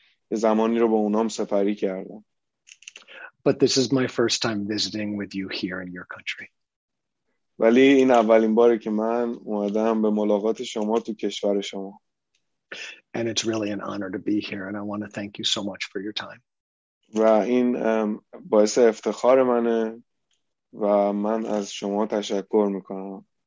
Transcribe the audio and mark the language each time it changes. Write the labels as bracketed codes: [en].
[fa] زمانی رو با اونا هم سفری کردم. [en] But this is my first time visiting with you here in your country. [fa] ولی این اولین باره که من اومدم به ملاقات شما تو کشور شما. [en] And it's really an honor to be here and I want to thank you so much for your time. [fa] و این باعث افتخار منه و من از شما تشکر میکنم.